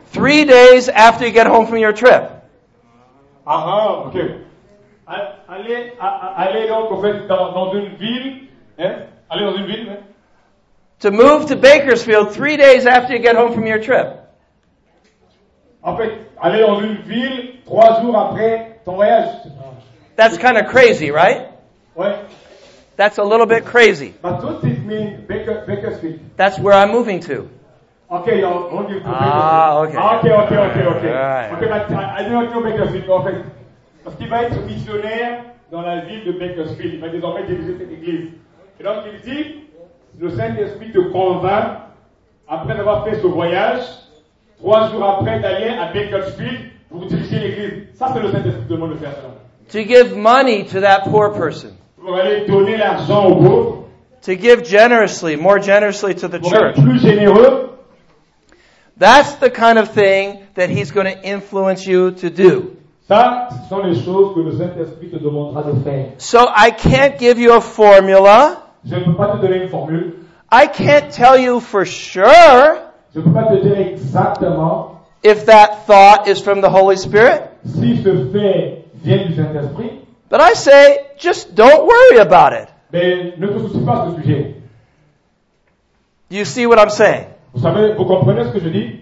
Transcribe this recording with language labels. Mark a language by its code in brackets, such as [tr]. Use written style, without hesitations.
[en] 3 days after you get home from your trip. Okay. [fr] Aller donc en fait dans une ville, hein? Aller dans une ville, hein? [en] To move to Bakersfield 3 days after you get home from your trip. [fr] En fait, aller dans une ville 3 jours après ton voyage. [en] That's kind of crazy, right? [fr] Ouais. [en] That's a little bit crazy. But what does it mean, Bakersfield? That's where I'm moving to. Okay, I'll move you to Bakersfield. Ah, okay. Okay. All right. Okay, but I don't want to Bakersfield. [fr] En fait, parce qu'il va être missionnaire dans la ville de Bakersfield. Il va désormais diriger cette église. Et donc, il dit... Le Saint-Esprit te convainc, après avoir fait ce voyage, 3 jours après d'aller à Bakersfield pour diriger l'église. Ça, c'est le Saint-Esprit qui demande de faire cela. [en] To give money to that poor person. [fr] Pour aller donner l'argent au pauvre. [en] To give generously, more generously to the [fr] pour [en] church. [fr] Pour être plus généreux. [en] That's the kind of thing that he's going to influence you to do. [fr] Ça, ce sont les choses que le Saint-Esprit te demandera de faire. [en] So I can't give you a formula. [fr] Je ne peux pas te donner une formule. [en] I can't tell you for sure. [fr] Je ne peux pas te dire exactement. [en] If that thought is from the Holy Spirit. [fr] Si ce fait vient du Saint-Esprit. [en] But I say, just don't worry about it. [fr] Mais ne te soucie pas de ce sujet. [en] Do you see what I'm saying? [fr] Vous savez, vous comprenez ce que je dis?